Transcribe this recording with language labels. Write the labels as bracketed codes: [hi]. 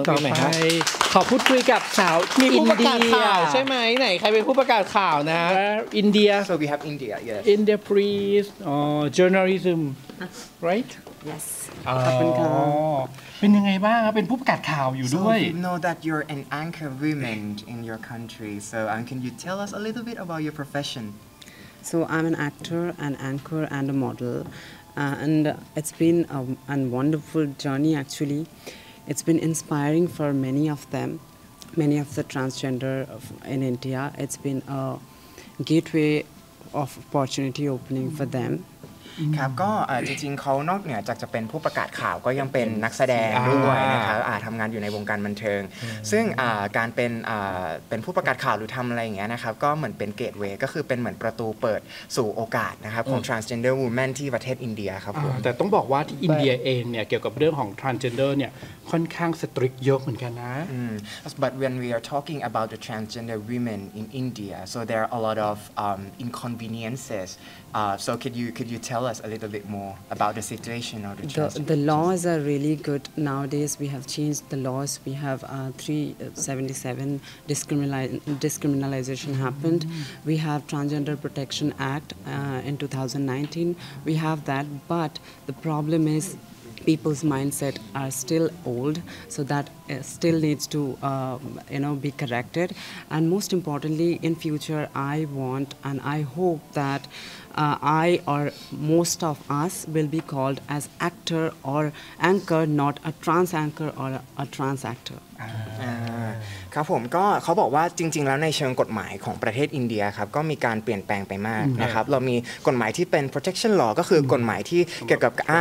[th] ต้องไปขอพูดคุยกับสาว มีผู้ประกาศข่าวใช่ไหมไหนใครเป็นผู้ประกาศข่าวนะ อินเดีย [en] so we have India yes India please journalism right yes [th] ขอบคุณครับเป็นยังไงบ้างครับเป็นผู้ประกาศข่าวอยู่ด้วย [en] so we know that you're an anchor woman in your country so can you tell us a little bit about your profession so I'm an actor an anchor and a model and it's been a wonderful journey actually it's been inspiring for many of them many of the transgender in India it's been a gateway of opportunity opening for them [th] ครับก็จริงๆเขานอกเหนือจากจะเป็นผู้ประกาศข่าวก็ยังเป็นนักแสดงด้วยนะครับทำงานอยู่ในวงการบันเทิงซึ่งการเป็นผู้ประกาศข่าวหรือทำอะไรอย่างเงี้ยนะครับก็เหมือนเป็นเกตเวย์ก็คือเป็นเหมือนประตูเปิดสู่โอกาสนะครับของ transgender woman ที่ประเทศอินเดียครับ แต่ต้องบอกว่าที่อินเดียเองเนี่ยเกี่ยวกับเรื่องของ transgender เนี่ยค่อนข้างสตริกเยอะเหมือนกันนะ [en] but when we are talking about the transgender women in India so there are a lot of inconveniencesso could you tell us a little bit more about the situation or the laws are really good nowadays we have changed the laws we have 377 discriminalization happened mm-hmm. we have transgender protection act in 2019 we have that but the problem is people's mindset are still old so thatstill needs to be corrected and most importantly in future I want and I hope thatI or most of us will be called as actor or anchor not a trans anchor or a trans actor [th] ครับผมก็เขาบอกว่าจริงๆแล้วในเชิงกฎหมายของประเทศอินเดียครับก็มีการเปลี่ยนแปลงไปมากนะครับเรามีกฎหมายที่เป็น protection law ก็คือกฎหมายที่เกี่ยวกับ